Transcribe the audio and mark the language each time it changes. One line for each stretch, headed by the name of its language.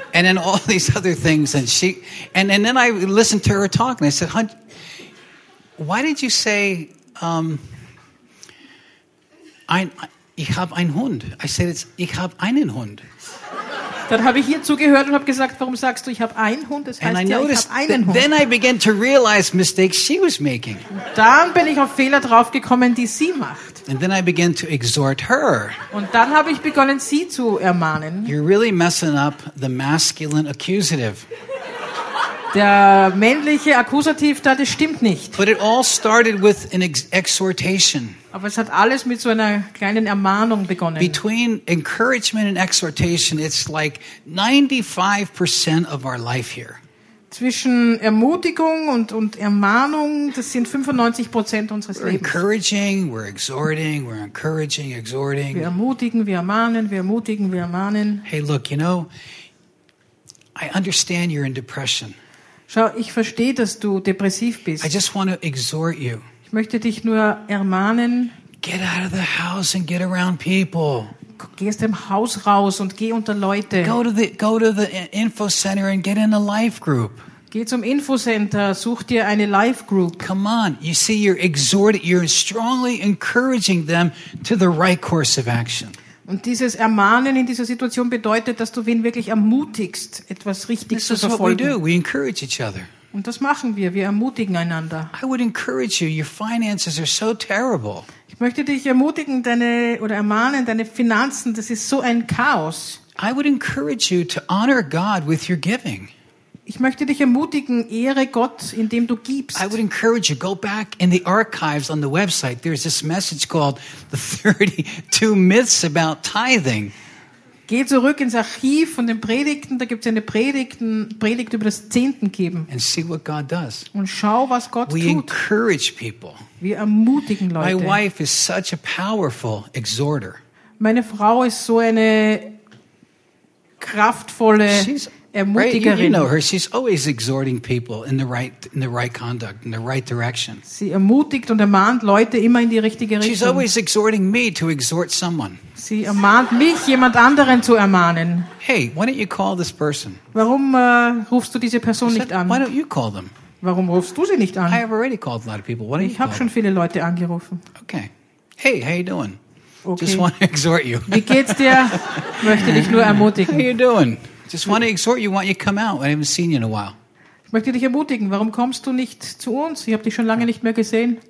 English: And then all these other things, and she, and then I listened to her talk, and I said, "Hun, why did you say,
German: ich habe einen Hund?"
English: I said, "It's
German: ich habe einen Hund." Dann habe ich hier zugehört und habe gesagt, warum sagst du, ich habe einen Hund? Das heißt ja, ich habe einen Hund.
English: Then I began to realize mistakes she was making.
German: Dann bin ich auf Fehler draufgekommen, die sie macht.
English: And then I began to exhort her.
German: Und dann habe ich begonnen, sie zu ermahnen.
English: You're really messing up the masculine accusative.
German: Der männliche Akkusativ, da, das stimmt nicht.
English: But it all started with an exhortation.
German: Aber es hat alles mit so einer kleinen Ermahnung begonnen.
English: Between encouragement and exhortation, it's like 95% of our life here.
German: Zwischen Ermutigung und Ermahnung, das sind 95% unseres Lebens.
English: We're encouraging, exhorting.
German: Wir ermahnen.
English: Hey, look, you know, I understand you're in depression.
German: Schau, ich verstehe, dass du depressiv bist.
English: I just want to exhort you.
German: Ich möchte dich nur ermahnen.
English: Get out of the house and get around people.
German: Geh aus dem Haus raus und geh unter Leute.
English: Go to the info center and get in a life group.
German: Geh zum Infocenter, such dir eine life group.
English: Come on, you see, you're strongly encouraging them to the right course of action.
German: Und dieses Ermahnen in dieser Situation bedeutet, dass du wen wirklich ermutigst, etwas richtig zu verfolgen.
English: This is what we do. We encourage each other.
German: Und das machen wir. Wir ermutigen einander.
English: I would encourage you. Your finances are so terrible.
German: Ich möchte dich ermutigen, ermahnen, deine Finanzen, das ist so ein Chaos.
English: I would encourage you to honor God with your giving.
German: Ich möchte dich ermutigen, ehre Gott, indem du gibst.
English: I would encourage you, go back in the archives on the website. There's this message called "The 32 Myths About Tithing."
German: Geh zurück ins Archiv von den Predigten, da gibt es eine Predigt über das Zehntengeben.
English: And see what God does.
German: Und schau, was Gott
English: We
German: tut.
English: Encourage people.
German: Wir ermutigen Leute.
English: My wife is such a powerful exhorter.
German: Meine Frau ist so eine kraftvolle Ermutigerin.
English: Right, you know her. She's always exhorting people in the right conduct, in the right direction.
German: Sie ermutigt und ermahnt Leute immer in die richtige Richtung.
English: She's always exhorting me to exhort someone.
German: Sie ermahnt mich, jemand anderen zu ermahnen.
English: Hey, why don't you call this person?
German: Warum rufst du diese Person nicht an?
English: Why don't you call them?
German: Warum rufst du sie nicht an?
English: I have already called a lot of people. Why don't you call them?
German: Ich habe schon viele Leute angerufen.
English: Okay. Hey, how you doing? Okay. Just want to exhort you.
German: Wie geht's dir? Möchte dich nur ermutigen.
English: How you doing? Just want to exhort you. Why don't you come out? I haven't seen you in a while.
German: Ich möchte dich ermutigen. Warum kommst du nicht zu uns? Ich habe dich schon lange nicht mehr gesehen.